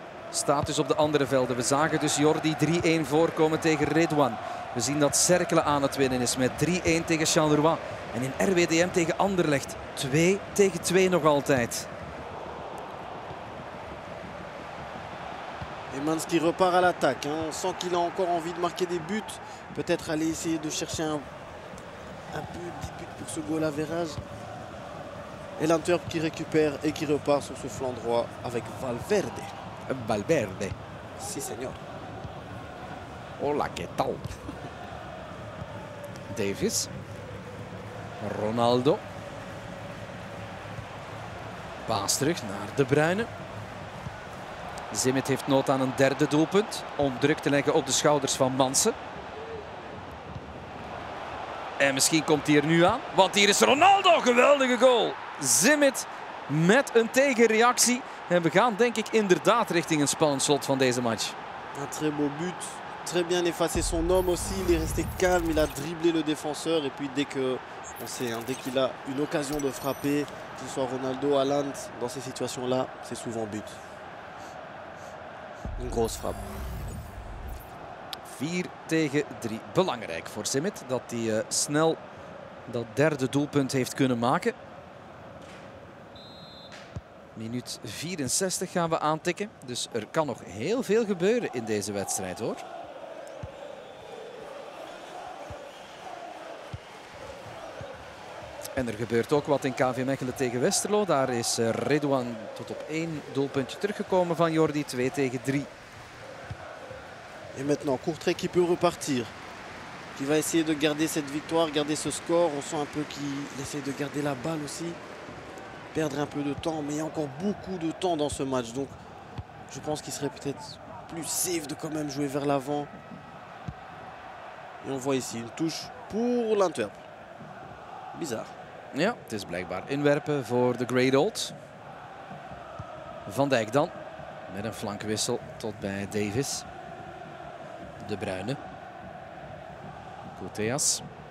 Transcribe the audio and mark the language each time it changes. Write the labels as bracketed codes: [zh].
[nl] Staat dus op de andere velden. We zagen dus Jordi 3-1 voorkomen tegen Redouane. We zien dat Cercle aan het winnen is met 3-1 tegen Charleroi. En in RWDM tegen Anderlecht 2-2 nog altijd. [fr] Mans qui repart à l'attaque. On sent qu'il a encore envie de marquer des buts. Peut-être aller essayer de chercher un peu de but pour ce goal à Verrage. Et l'Antwerp qui récupère et qui repart sur ce flanc droit avec Valverde. Valverde. [es] Si, señor. Hola, qué tal. [nl] Davis. Ronaldo. Paas terug naar De Bruyne. Zimit heeft nood aan een derde doelpunt om druk te leggen op de schouders van Mansen. En misschien komt hij er nu aan, want hier is Ronaldo. Geweldige goal. Zimit met een tegenreactie. En we gaan denk ik inderdaad richting een spannend slot van deze match. [fr] Un très beau but. Très bien effacé son homme aussi. Il est resté calme. Il a dribblé le défenseur. Et puis dès que on sait, hein, dès qu'il a une occasion de frapper, que ce soit Ronaldo, Haaland, dans ces situations-là, c'est souvent but. Une grosse frappe. [nl] 4-3. Belangrijk voor Zimit dat hij snel dat derde doelpunt heeft kunnen maken. Minuut 64 gaan we aantikken. Dus er kan nog heel veel gebeuren in deze wedstrijd, hoor. En er gebeurt ook wat in KV Mechelen tegen Westerlo. Daar is Redouane tot op 1 doelpuntje teruggekomen van Jordi. 2-3. [fr] En maintenant Courtrai qui peut repartir. Qui va essayer de garder cette victoire, garder ce score. On sent un peu qu'il essaie de garder la balle aussi. Perdre un peu de temps, mais il y a encore beaucoup de temps dans ce match. Donc je pense qu'il serait peut-être plus safe de quand même jouer vers l'avant. Et on voit ici une touche pour l'Antwerp. [nl] Bizar. Ja, het is blijkbaar inwerpen voor de Great Old. Van Dijk dan. Met een flankwissel tot bij Davis. De Bruyne. Koteas.